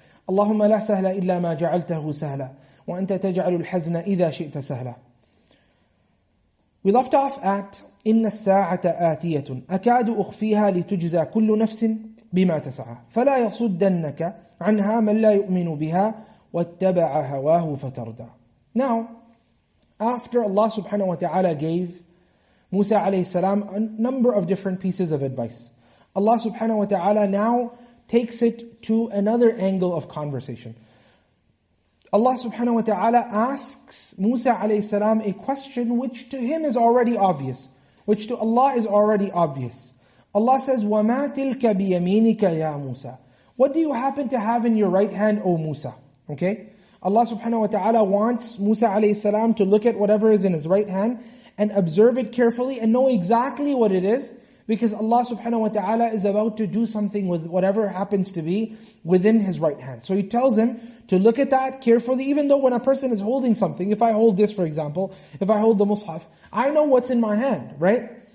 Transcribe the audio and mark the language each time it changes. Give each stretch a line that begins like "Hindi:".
Arabic: اللهم لا سهل إلا ما جعلته سهلا وأنت تجعل الحزن إذا شئت سهلا.
English: We left off at
Arabic: إن الساعة آتية أكاد أخفيها لتجزى كل نفس بما تسعى فلا يصدنك عنها من لا يؤمن بها واتبع هواه فتردى.
English: Now after Allah subhanahu wa ta'ala gave Musa alayhi salam a number of different pieces of advice, Allah subhanahu wa ta'ala now takes it to another angle of conversation. Allah subhanahu wa ta'ala asks Musa alayhi salam a question which to him is already obvious, which to Allah is already obvious. Allah says,
Arabic: وَمَا تِلْكَ بِيَمِينِكَ يَا مُوسَى.
English: What do you happen to have in your right hand, O Musa? Okay? Allah subhanahu wa ta'ala wants Musa alayhi salam to look at whatever is in his right hand and observe it carefully and know exactly what it is, because Allah subhanahu wa ta'ala is about to do something with whatever happens to be within his right hand. So He tells him to look at that carefully, even though when a person is holding something, if I hold this for example, if I hold the Mus'haf, I know what's in my hand, right?